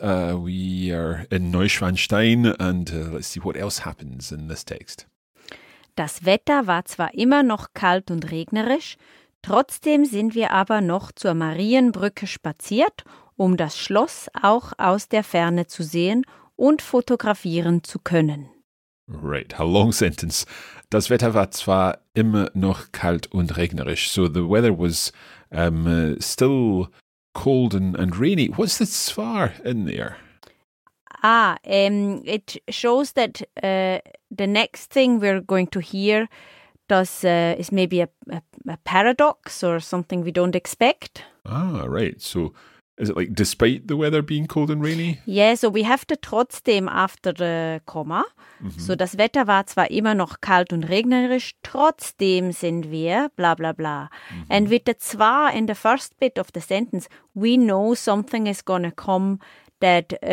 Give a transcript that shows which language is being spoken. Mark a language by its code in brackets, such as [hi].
[en] We are in Neuschwanstein and let's see what else happens in this text. [de] Das Wetter war zwar immer noch kalt und regnerisch, trotzdem sind wir aber noch zur Marienbrücke spaziert, um das Schloss auch aus der Ferne zu sehen und fotografieren zu können. [en] Right, a long sentence. [de] Das Wetter war zwar immer noch kalt und regnerisch. [en] So the weather was still cold and rainy. What's the zwar in there? It shows that the next thing we're going to hear is maybe a paradox or something we don't expect. Ah, right. So is it like despite the weather being cold and rainy? Yeah, so we have the trotzdem after the comma. Mm-hmm. [de] So das Wetter war zwar immer noch kalt und regnerisch, trotzdem sind wir, blah, blah, blah. [en] Mm-hmm. And with the zwar in the first bit of the sentence, we know something is going to come that...